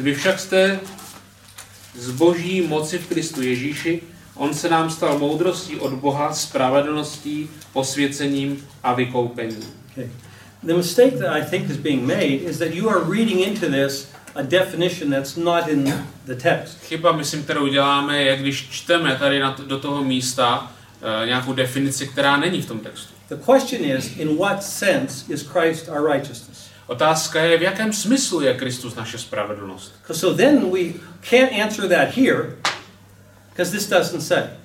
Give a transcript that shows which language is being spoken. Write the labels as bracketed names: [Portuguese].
[Czech] Vy však jste z Boží moci v Kristu Ježíši. On se nám stal moudrostí od Boha, spravedlností, posvěcením a vykoupením. [English] Okay. The mistake that I think is being made is that you are reading into this a definition that's not in the text. [Czech] Chyba, myslím, kterou děláme, je, když čteme tady na to, do toho místa nějakou definici, která není v tom textu. [English] The question is, in what sense is Christ our righteousness? [Czech] Otázka je, v jakém smyslu je Kristus naše spravedlnost? [English] So then we can't answer that here, because this doesn't say.